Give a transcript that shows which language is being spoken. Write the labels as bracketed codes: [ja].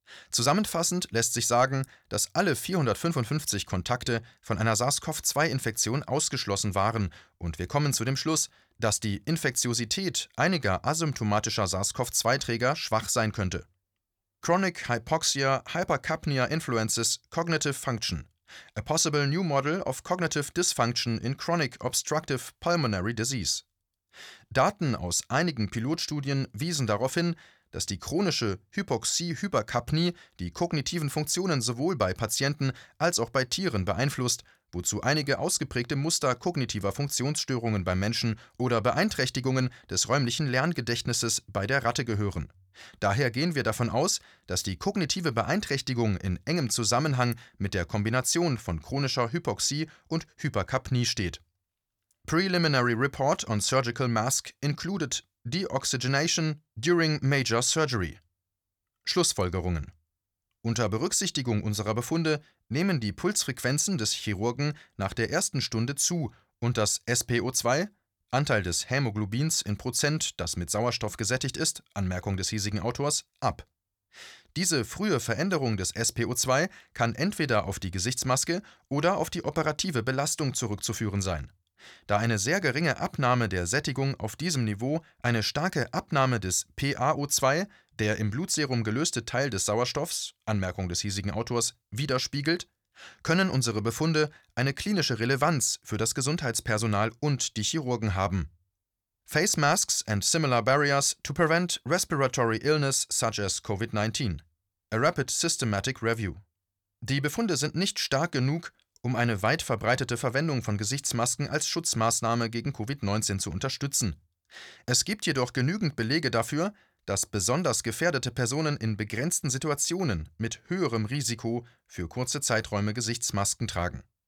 [de] Zusammenfassend lässt sich sagen, dass alle 455 Kontakte von einer SARS-CoV-2-Infektion ausgeschlossen waren und wir kommen zu dem Schluss, dass die Infektiosität einiger asymptomatischer SARS-CoV-2-Träger schwach sein könnte. [en] Chronic Hypoxia Hypercapnia Influences Cognitive Function. A possible new model of cognitive dysfunction in chronic obstructive pulmonary disease. [de] Daten aus einigen Pilotstudien wiesen darauf hin, dass die chronische Hypoxie-Hyperkapnie die kognitiven Funktionen sowohl bei Patienten als auch bei Tieren beeinflusst, wozu einige ausgeprägte Muster kognitiver Funktionsstörungen beim Menschen oder Beeinträchtigungen des räumlichen Lerngedächtnisses bei der Ratte gehören. Daher gehen wir davon aus, dass die kognitive Beeinträchtigung in engem Zusammenhang mit der Kombination von chronischer Hypoxie und Hyperkapnie steht. [en] Preliminary report on surgical mask included deoxygenation during major surgery. [de] Schlussfolgerungen. Unter Berücksichtigung unserer Befunde nehmen die Pulsfrequenzen des Chirurgen nach der ersten Stunde zu und das SpO2, Anteil des Hämoglobins in Prozent, das mit Sauerstoff gesättigt ist, Anmerkung des hiesigen Autors, ab. Diese frühe Veränderung des SpO2 kann entweder auf die Gesichtsmaske oder auf die operative Belastung zurückzuführen sein. Da eine sehr geringe Abnahme der Sättigung auf diesem Niveau eine starke Abnahme des PaO2, der im Blutserum gelöste Teil des Sauerstoffs, Anmerkung des hiesigen Autors, widerspiegelt, können unsere Befunde eine klinische Relevanz für das Gesundheitspersonal und die Chirurgen haben. [en] Face masks and similar barriers to prevent respiratory illness such as COVID-19. A rapid systematic review. [de] Die Befunde sind nicht stark genug, um eine weit verbreitete Verwendung von Gesichtsmasken als Schutzmaßnahme gegen COVID-19 zu unterstützen. Es gibt jedoch genügend Belege dafür, dass besonders gefährdete Personen in begrenzten Situationen mit höherem Risiko für kurze Zeiträume Gesichtsmasken tragen.